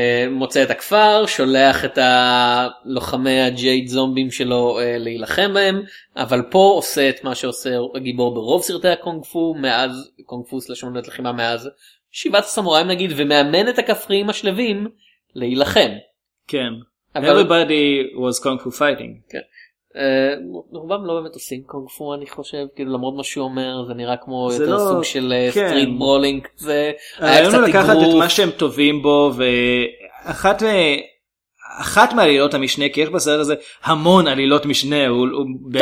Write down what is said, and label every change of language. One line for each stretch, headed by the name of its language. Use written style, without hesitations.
Hebrew: מוצא את הכפר, שולח את הלוחמי הג'ייד זומבים שלו להילחם בהם, אבל פה עושה את מה שעושה הגיבור ברוב סרטי הקונג פו, מאז, קונג פו סלשונות לחימה מאז, שיבת הסמוראים נגיד, ומאמן את הכפריים השלבים להילחם. כן.
English: Everybody was kung fu fighting.
Hebrew: כן. רובם לא באמת עושים קונג פו, אני חושב, כאילו למרות מה שהוא אומר, זה נראה כמו יותר סוג של סטריט ברולינג. זה היה קצת תגרוף. לקחת את מה שהם טובים בו, ואחת מעלילות המשנה, כי יש בסרט הזה המון עלילות משנה, הוא באמת...